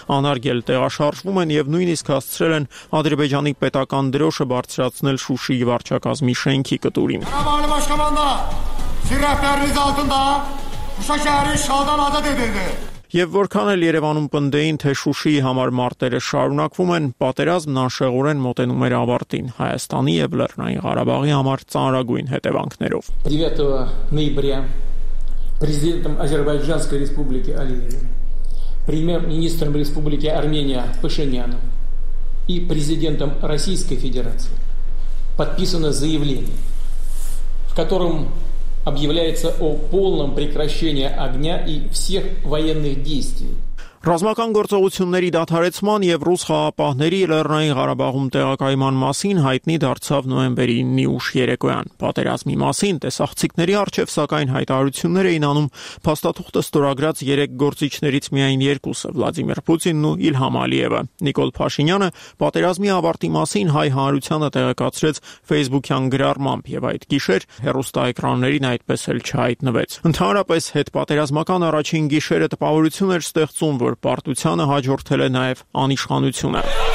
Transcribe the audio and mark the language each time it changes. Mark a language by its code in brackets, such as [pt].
[hy] անարգել տեղաշարժվում են և նույնիսկ հասցրել են Ադրբեջանի պետական դրոշը բարձրացնել Շուշի վարչակազմի շենքի կտուրին։ Եվ որքան էլ Երևանում պնդեին, թե Շուշիի համար մարտերը շարունակվում են, պատերազմն անշեղորեն մոտենում էր ավարտին, Հայաստանի և Լեռնային Ղարաբաղի համար ծանրագույն հետևանքներով։ [ru] 9 ноября президентом Азербайджанской республики Алиевым, премьер-министром республики Армения Пашиняном и президентом Российской Федерации подписано заявление, в котором объявляется о полном прекращении огня и всех военных действий. [hy] Ռազմական գործողությունների դադարեցման և ռուս խաղապահների Լեռնային Ղարաբաղում տեղակայման մասին հայտնի դարձավ նոյեմբերի 9-ի ուշ երեկոյան։ Պատերազմի մասին տեսախցիկների առջև, սակայն, հայտարարություններ էին անում փաստաթուղթը ստորագրած երեք գործիչներից միայն երկուսը՝ Վլադիմիր Պուտինն ու Իլհամ Ալիևը։ Նիկոլ Փաշինյանը պատերազմի ավարտի մասին հայ հանրությանը տեղեկացրեց Facebook-յան գրառմամբ, և այդ գիշեր հեռուստաէկրաններին այդպես էլ չհայտնվեց։ Ընդհանրապես, հետպատերազմական առաջին գիշերը տպավորություն էր ստեղծում, որ պարտությանը հաջորդել է նաև անիշխանությունը։